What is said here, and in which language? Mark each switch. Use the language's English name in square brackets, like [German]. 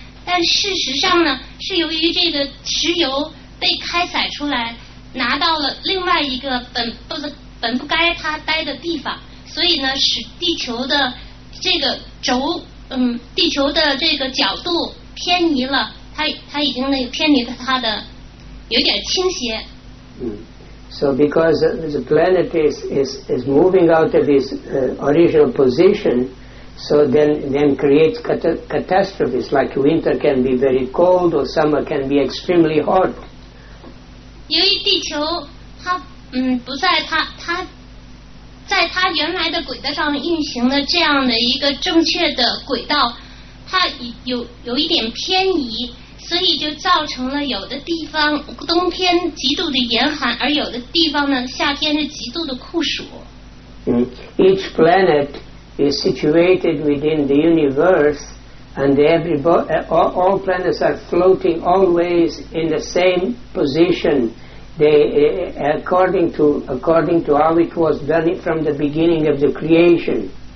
[Chinese] 但事实上呢，是由于这个石油被开采出来，拿到了另外一个本不该它待的地方，所以呢，使地球的这个轴，地球的这个角度偏移了，它已经偏离了它的，有点倾斜。 [English] So because the planet is moving out of its original position, so then creates catastrophes, like winter can be very cold or summer can be extremely hot. [Chinese] 由于地球它不在它在它原来的轨道上运行的这样的一个正确的轨道，它有一点偏移，所以就造成了有的地方冬天极度的严寒，而有的地方呢夏天是极度的酷暑。 [English] Each planet is situated within the universe, and all planets are floating always in the same position. They according to how it was done from the beginning of the creation.